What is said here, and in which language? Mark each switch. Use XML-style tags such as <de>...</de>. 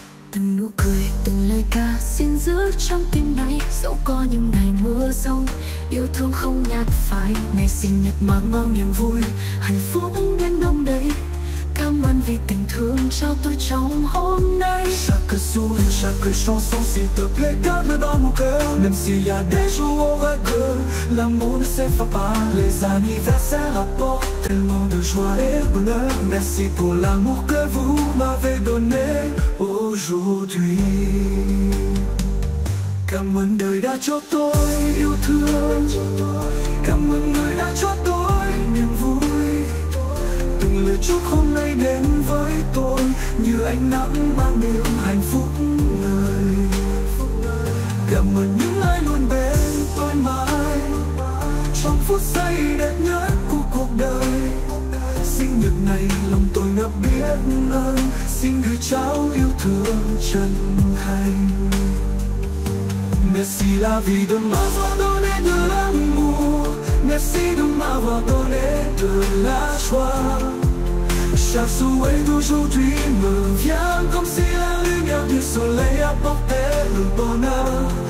<vi>Từng nụ cười, từng lời ca xin giữ trong tim này. Dẫu có những ngày mưa giông, yêu thương không nhạt phai. Ngày sinh nhật mang bao niềm vui, hạnh phúc đến đông đầy. Cảm ơn vì tình thương cho tôi trong hôm nay.</vi> <fr>Chaque sourire, chaque chanson, s'il te plaît, garde dans mon cœur. Même s'il y a des jours au regret, l'amour ne s'efface pas. Les anniversaires apportent tellement de joie et bonheur. Merci pour l'amour que vous m'avez donné aujourd'hui.</fr> <vi>Cảm ơn đời đã cho tôi yêu thương. Cảm ơn người đã cho tôi niềm vui. Lời chúc hôm nay đến với tôi như ánh nắng mang niềm hạnh phúc ngời. Cảm ơn những ai luôn bên tôi mãi trong phút giây đẹp nhất của cuộc đời. Sinh nhật này lòng tôi ngập biết ơn, xin gửi trao yêu thương chân thành.</vi> <fr>Merci la vie de m'avoir donné de l'amour. Merci de m'avoir donné de la joie. Chaque souhait d'aujourd'hui me vient comme si la lumière du soleil apportait le bonheur.</fr>